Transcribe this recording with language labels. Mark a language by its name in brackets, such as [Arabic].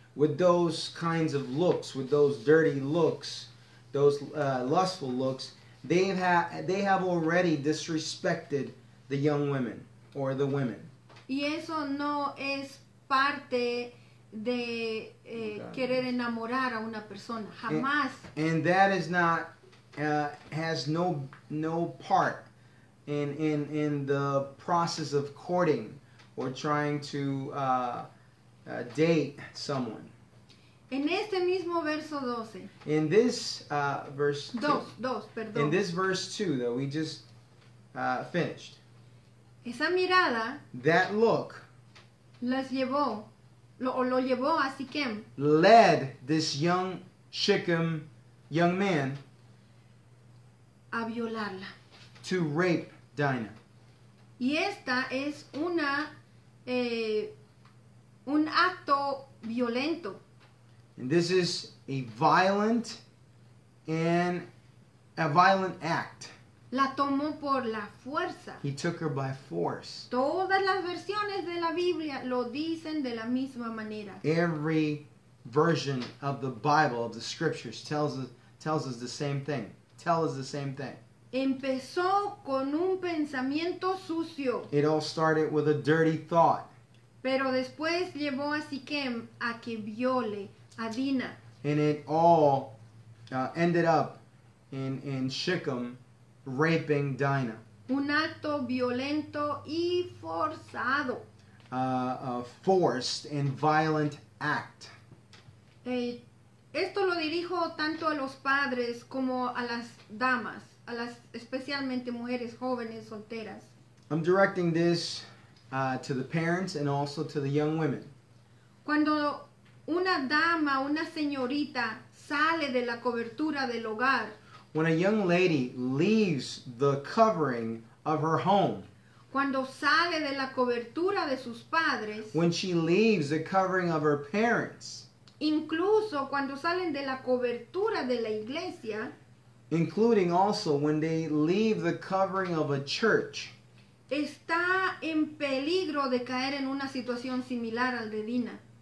[English] With those kinds of looks, with those dirty looks, those lustful looks, they have already disrespected the young women or the women. [Spanish] Y eso no es parte de querer enamorar a una persona, jamás. [English] And that is not has no part in the process of courting or trying to date someone. [Spanish] En este mismo verso 12. [English] In this verse 2. [Spanish] Dos, perdón. [English] In this verse 2 that we just finished. [Spanish] Esa mirada. [English] That look. [Spanish] Las llevó. Lo llevó a Siquem. [English] Led this young Shechem young man [Spanish] a violarla. [English] To rape Dinah. [Spanish] Y esta es una un acto violento. [English] And this is a violent act. [Spanish] La tomó por la fuerza. [English] He took her by force. [Spanish] Todas las versiones de la Biblia lo dicen de la misma manera. [English] Every version of the Bible, of the scriptures, tells us the same thing. Tell us the same thing. [Spanish] Empezó con un pensamiento sucio. [English] It all started with a dirty thought. [Spanish] Pero después llevó a Siquem a que viole a Dina. [English] And it all ended up in Shechem raping Dinah. [Spanish] Un acto violento y forzado. [English] A forced and violent act. [Spanish] Esto lo dirijo tanto a los padres como a las damas, a las especialmente mujeres jóvenes solteras. [English] I'm directing this to the parents and also to the young women. [Spanish] Cuando una dama, una señorita sale de la cobertura del hogar, [English] when a young lady leaves the covering of her home. [Spanish] Cuando sale de la cobertura de sus padres. [English] When she leaves the covering of her parents. [Spanish] Incluso cuando salen de la cobertura de la iglesia. [English] including also when they leave the covering of a church. [Spanish] Está en peligro de caer en una situación similar al de Dina.